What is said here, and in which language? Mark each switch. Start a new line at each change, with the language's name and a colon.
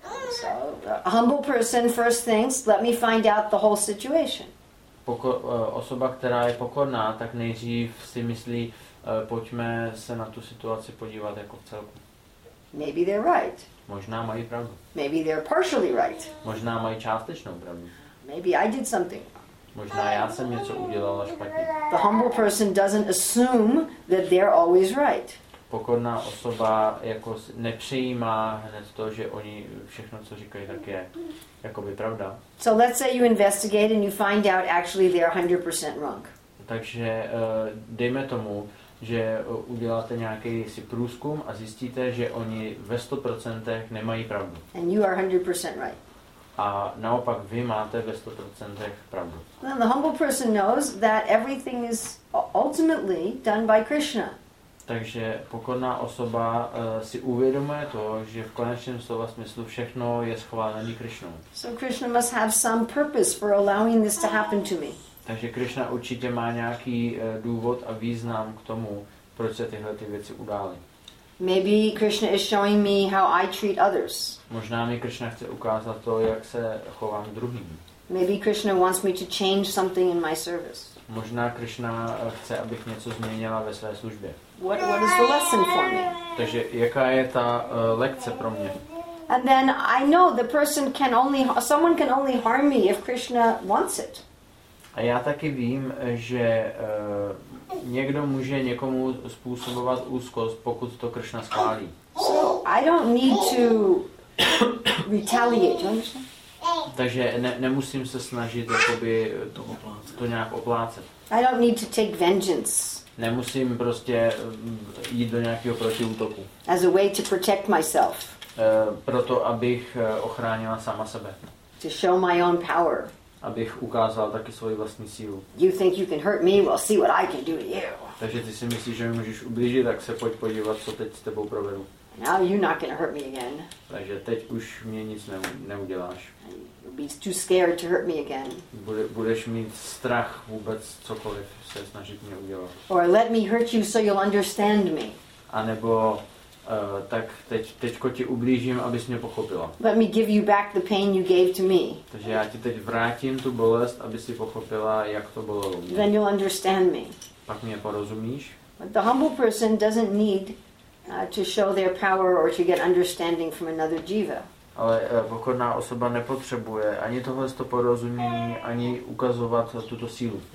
English: So the humble person first thinks, let me find out the whole situation.
Czech: Osoba, která je pokorná, tak nejdřív si myslí, pojďme se na tu situaci podívat jako celku.
English: Maybe they're right.
Czech: Možná mají pravdu.
English: Maybe they're partially right.
Czech: Možná mají částečnou pravdu.
English: Maybe I did something.
Czech: Možná já jsem něco udělala špatně.
English: The humble person doesn't assume that they're always right.
Czech: Pokorná osoba jako nepřijímá hned to, že oni všechno, co říkají, tak je jakoby pravda.
English: So let's say you investigate and you find out actually they're 100% wrong.
Czech: Takže dejme tomu, že uděláte nějaký si průzkum a zjistíte, že oni ve 100% nemají pravdu.
English: And you are 100% right.
Czech: A naopak vy máte ve 100% pravdu.
English: Then the humble person knows that everything is ultimately done by Krishna.
Czech: Takže pokorná osoba si uvědomuje to, že v konečném slova smyslu všechno je schválené Krishnou.
English: So Krishna must have some purpose for allowing this to happen to me.
Czech: Takže Krishna určitě má nějaký důvod a význam k tomu, proč se tyhle ty věci udály.
English: Maybe Krishna is showing me how I treat others.
Czech: Možná mi Krishna chce ukázat to, jak se chovám druhým.
English: Maybe Krishna wants me to change something in my service.
Czech: Možná Krishna chce, abych něco změnila ve své službě.
English: What is the lesson for me?
Czech: Takže jaká je ta lekce pro mě?
English: And then I know the person can only, someone can only harm me if Krishna wants it.
Czech: A já taky vím, že někdo může někomu způsobovat úzkost, pokud to Krishna schválí.
English: So I don't need to retaliate, you understand?
Czech: Takže nemusím se snažit jakoby, to nějak oplácet.
English: I don't need to take vengeance.
Czech: Nemusím prostě jít do nějakého protiútoku.
English: As a way to protect myself.
Czech: Proto abych ochránila sama sebe.
English: To show my own power.
Czech: Abych ukázal taky svoji vlastní sílu.
English: You think you can hurt me? Well, see what I can do to you.
Czech: Takže ty si myslíš, že mi můžeš ublížit, tak se pojď podívat, co teď s tebou provedu.
English: Now you're not going to hurt me again.
Czech: Takže teď už mě nic neuděláš.
English: You'll be too scared to hurt me again.
Czech: Budeš mít strach vůbec cokoliv se snažit mě udělat.
English: Or let me hurt you so you'll understand me.
Czech: A nebo tak teďko ti ublížím, abys mě pochopila.
English: Let me give you back the pain you gave to me.
Czech: Takže já ti teď vrátím tu bolest, aby si pochopila, jak to bylo.
English: Then you'll understand me.
Czech: Pak mě porozumíš.
English: But the humble person doesn't need to show their power or to get understanding from another jiva.
Czech: Ale pokorná osoba nepotřebuje ani tohle to porozumění, ani ukazovat tuto sílu.